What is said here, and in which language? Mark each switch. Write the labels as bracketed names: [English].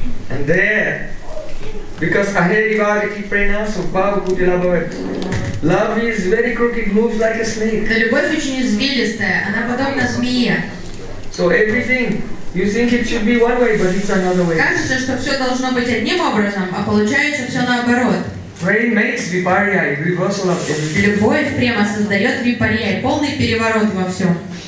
[English] And there, because Ahirivariki Pranas of Babu Kutilabhavet, love is very crooked, moves like a snake. [Russian] Да, любовь очень извилистая, она подобна змея. [English] So everything, you think it should be one way, but it's another way. [Russian] Кажется, что все должно быть одним образом, а получается все наоборот. [English] Prem makes viparya, reversal of everything. [Russian] Любовь према создает випарья, полный переворот во всем.